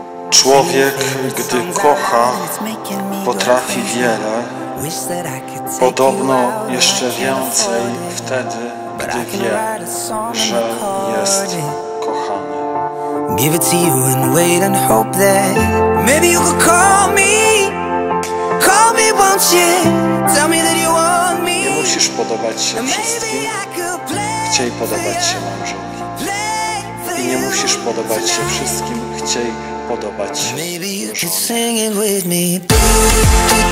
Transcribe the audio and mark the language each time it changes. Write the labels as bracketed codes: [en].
[pl] Człowiek, gdy kocha, potrafi wiele, podobno jeszcze więcej wtedy, gdy wie, że jest kochany. [en] Give it to you and wait and hope that maybe you could call me, won't you? Tell me that you want me. [pl] Nie musisz podobać się wszystkim. Chciej podobać się małżonkowi. I nie musisz podobać się wszystkim. Chciej podobać się. [en] Maybe you could sing it with me.